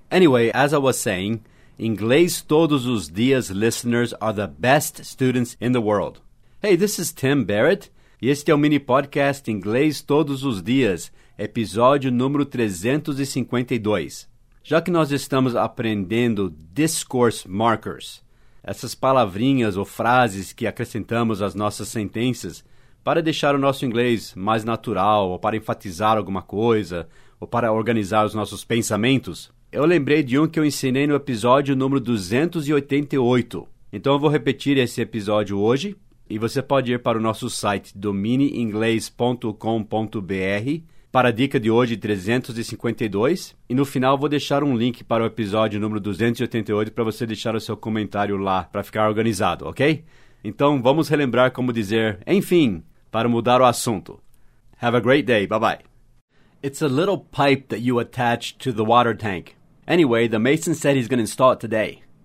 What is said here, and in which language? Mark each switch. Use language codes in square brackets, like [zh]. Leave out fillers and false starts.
[en] Anyway, as I was saying, Inglês Todos os Dias listeners are the best students in the world. Hey, this is Tim Barrett. [pt] E este é o mini podcast Inglês Todos os Dias, episódio número 352. Já que nós estamos aprendendo discourse markers, essas palavrinhas ou frases que acrescentamos às nossas sentenças para deixar o nosso inglês mais natural, ou para enfatizar alguma coisa, ou para organizar os nossos pensamentos, eu lembrei de um que eu ensinei no episódio número 288. Então eu vou repetir esse episódio hoje, e você pode ir para o nosso site domineinglês.com.br para a dica de hoje 352, e no final eu vou deixar um link para o episódio número 288 para você deixar o seu comentário lá para ficar organizado, ok? Então vamos relembrar como dizer, enfim, para mudar o assunto. [en] Have a great day, bye bye. It's a little pipe that you attach to the water tank. Anyway, the mason said he's going to install it today.